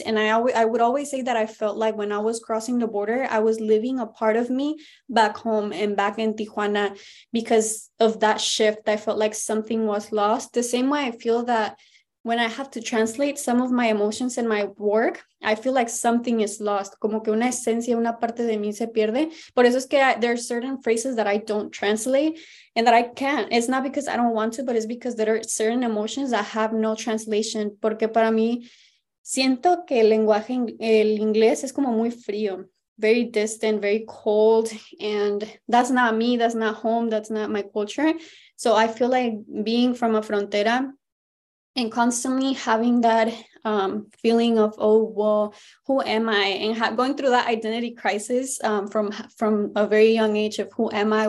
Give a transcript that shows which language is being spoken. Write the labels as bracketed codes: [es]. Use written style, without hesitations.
[en] And I would always say that I felt like when I was crossing the border, I was living a part of me back home and back in Tijuana because of that shift. I felt like something was lost. The same way I feel that when I have to translate some of my emotions in my work, I feel like something is lost. [es] Como que una esencia, una parte de mí se pierde. Por eso es que [en] there are certain phrases that I don't translate and that I can't. It's not because I don't want to, but it's because there are certain emotions that have no translation. [es] Porque para mí, siento que el lenguaje, el inglés es como muy frío, [en] very distant, very cold. And that's not me. That's not home. That's not my culture. So I feel like being from a frontera and constantly having that feeling of, oh, well, who am I? And going through that identity crisis from a very young age of who am I?